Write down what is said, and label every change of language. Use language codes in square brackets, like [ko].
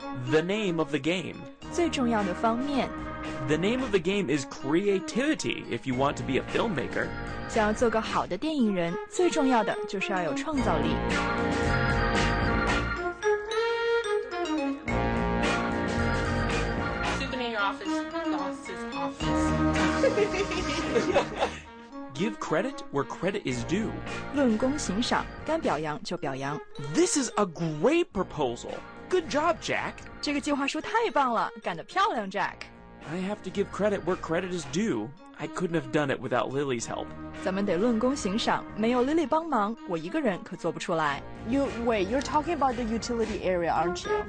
[en] The name of the game. [zh] 最重要的方面。 [en] The name of the game is creativity if you want to be a filmmaker. [zh] 想要做个好的电影人，最重要的就是要有创造力。 [en] Give credit where credit is due. [zh] 论功行赏，该表扬就表扬。 [en] This is a great proposal. Good job, Jack. [zh] 这个计划书太棒了，干得漂亮 ，Jack。 [en] I have to give credit where credit is due. I couldn't have done it without Lily's help. [zh] 咱们得论功行赏，没有 Lily 帮忙，我一个人可做不出来。 [en] You're talking about the utility area, aren't you?